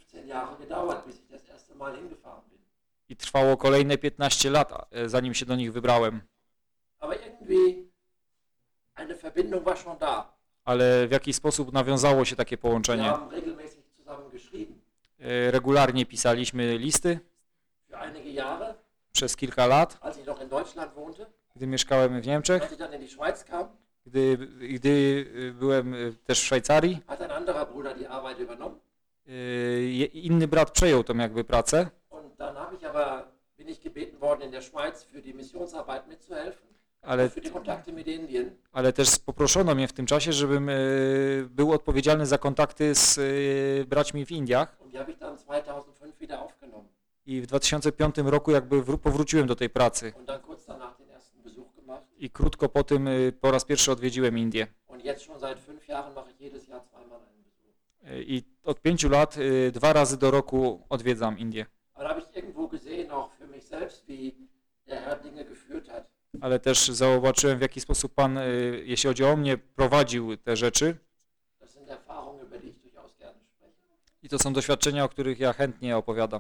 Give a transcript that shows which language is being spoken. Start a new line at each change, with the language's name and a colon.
German: Jahre gedauert, bis ich das erste Mal hingefahren bin.
Polish: I trwało kolejne 15 lat, zanim się do nich wybrałem.
German: Aber irgendwie eine Verbindung war schon da.
Polish: Ale w jakiś sposób nawiązało się takie połączenie.
German: Wir haben regelmäßig zusammen geschrieben.
Polish: Regularnie pisaliśmy listy.
German: Für einige Jahre.
Polish: Przez kilka lat.
German: Als ich noch in Deutschland wohnte.
Polish: Gdy mieszkałem w Niemczech.
German: Als ich dann in die Schweiz kam.
Polish: Gdy byłem też w Szwajcarii.
German: Hat ein anderer Bruder die Arbeit übernommen.
Polish: Inny brat przejął tam jakby pracę.
German: Und dann habe ich aber, bin ich gebeten worden in der Schweiz für die Missionsarbeit mitzuhelfen.
Polish: Ale,
German: für die Kontakte mit Indien.
Polish: Ale też poproszono mnie w tym czasie, żebym był odpowiedzialny za kontakty z braćmi w Indiach.
German: Und die habe ich dann 2005 wieder aufgenommen.
Polish: I w 2005 roku jakby powróciłem do tej pracy.
German: Und dann kurz danach den ersten Besuch gemacht.
Polish: I krótko po tym po raz pierwszy odwiedziłem Indie.
German: Und jetzt schon seit 5 Jahren mache ich jedes Jahr zweimal einen Besuch.
Polish: I od 5 lat dwa razy do roku odwiedzam Indie. Ale
German: habe ich irgendwo gesehen auch für mich selbst, wie der Herr Dinge geführt hat.
Polish: Ale też zauważyłem, w jaki sposób Pan, jeśli chodzi o mnie, prowadził te rzeczy.
German: Das sind Erfahrungen, über die ich durchaus gerne spreche.
Polish: I to są doświadczenia, o których ja chętnie opowiadam.